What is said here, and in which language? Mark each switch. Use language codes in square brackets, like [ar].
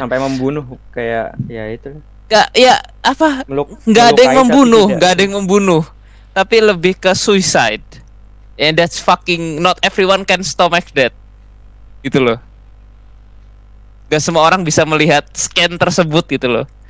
[id] Sampai membunuh kayak ya itu. Enggak, ya apa? Enggak ada yang membunuh. Tapi lebih ke suicide. [en] And that's fucking not everyone can stomach that. [id] Gitu loh. Enggak semua orang bisa melihat scan tersebut gitu loh.